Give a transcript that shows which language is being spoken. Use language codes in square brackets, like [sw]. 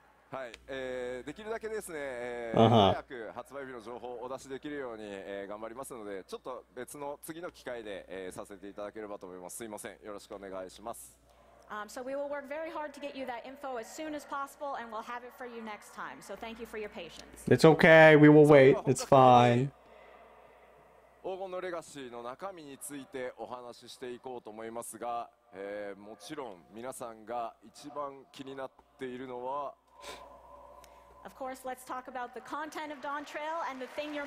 [ja] はい、できるだけですね、早く発売日の情報をお出しできるように頑張りますので、ちょっと別の次の機会でさせていただければと思います。すいません、よろしくお願いします。So [en] we will work very hard to get you that info as soon as possible, and we'll have it for you next time. So thank you for your patience. It's okay. We will wait. It's fine. [ja] 黄金のレガシーの中身についてお話ししていこうと思いますが、もちろん皆さんが一番気になっているのは、 [en] Of course, let's talk about the content of Dawn Trail and the thing you're